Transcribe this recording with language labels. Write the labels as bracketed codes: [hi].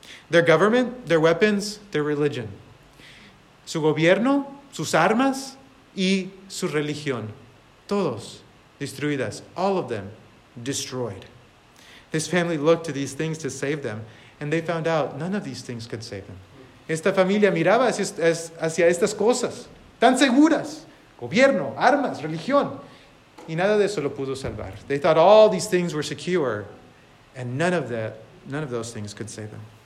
[en] Their government, their weapons, their religion. [es] Su gobierno, sus armas y su religión. Todos destruidas. [en] All of them destroyed. This family looked to these things to save them, and they found out none of these things could save them. [es] Esta familia miraba hacia estas cosas tan seguras. Gobierno, armas, religión. Y nada de eso lo pudo salvar. [en] They thought all these things were secure, and none of those things could save them.